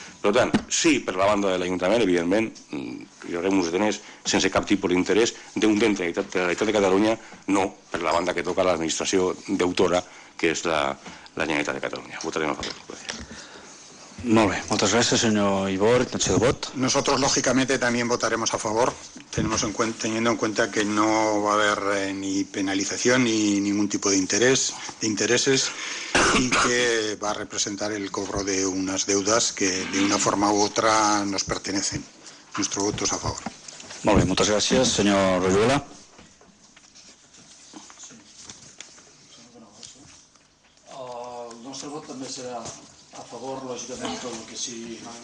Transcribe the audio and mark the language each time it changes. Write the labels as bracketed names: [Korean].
[Catalan] Per tant, sí, per la banda de l'Ajuntament, evidentment, hi haurem uns diners sense cap tipus d'interès d'un dent de la Generalitat de Catalunya, no per la banda que toca l'administració deutora, que és la Generalitat de Catalunya. Votarem a favor. Gràcies. Molt bé, moltes gràcies, senyor Ibor. Intenció de vot. [Spanish] Nosotros, lógicamente, también votaremos a favor, teniendo en cuenta que no va a haber ni penalización ni ningún tipo de intereses y que va a representar el cobro de unas deudas que, de una forma u otra, nos pertenecen. Nuestro voto es a favor. [Catalan] Molt bé, moltes gràcies, senyor Rayuela. El nostre vot també serà a favor, lògicament, com que si...